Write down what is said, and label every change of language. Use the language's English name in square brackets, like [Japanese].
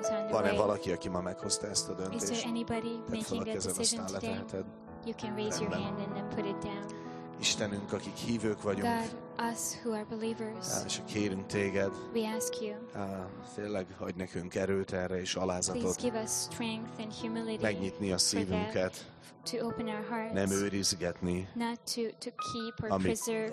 [Hungarian] Van-e valaki, aki ma meghozta ezt a döntést? Tedd fel a kezed, aztán leteheted. [English] You can raise your hand and then put it down. [Hungarian] Istenünk, akik hívők vagyunk, [English] God, us who are believers, [Hungarian] és kérünk téged, [English] we ask you, [Hungarian] tényleg, hogy nekünk erőt erre és alázatot, [English] please give us strength and humility, [Hungarian] megnyitni a szívünket, [English] to open our hearts, [Hungarian] nem őrizgetni, [English] not to keep or preserve,